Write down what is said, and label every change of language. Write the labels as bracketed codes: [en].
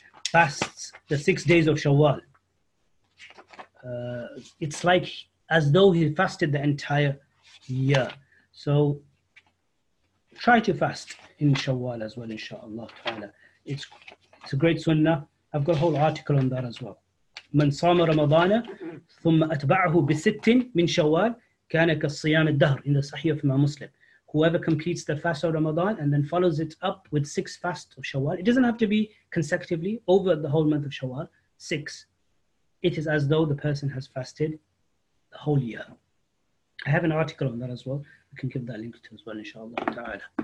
[en] fasts the 6 days of Shawwal. It's like as though he fasted the entire year. So try to fast in Shawwal as well, inshallah ta'ala. It's a great sunnah. I've got a whole article on that as well. [ar] من صام رمضان ثم أتبعه بست من شوال كان كالصيام الدهر [en] in the Sahih of Imam Muslim. Whoever completes the fast of Ramadan and then follows it up with six fasts of Shawwal, it doesn't have to be consecutively over the whole month of Shawwal, six. It is as though the person has fasted the whole year. I have an article on that as well. I can give that link to as well, inshallah ta'ala.